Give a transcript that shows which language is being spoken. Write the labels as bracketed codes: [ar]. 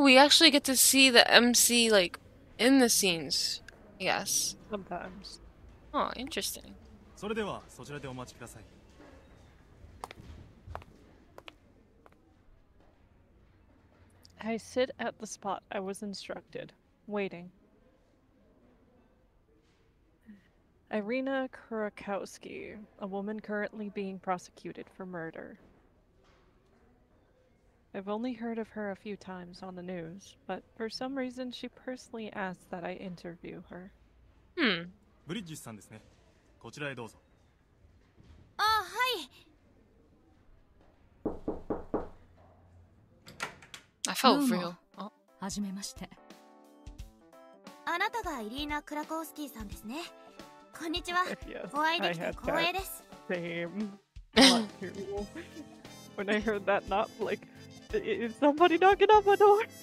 [en] we actually get to see the MC like in the scenes. Yes. Sometimes. Oh, interesting. [ja] それではそちらでお待ちください。 [en] I sit at the spot I was instructed, waiting. Irina Krakowski, a woman currently being prosecuted for murder. I've only heard of her a few times on the news, but for some reason she personally asked that I interview her. Hmm. [ja] ブリッジスさんですね。こちらへどうぞ。あ、はい! [en] I felt real. [ja] はじめまして。あなたがイリーナ クラコウスキーさんですね。 [en] Yes, I had that same when I heard that knock, like, is somebody knocking on my door?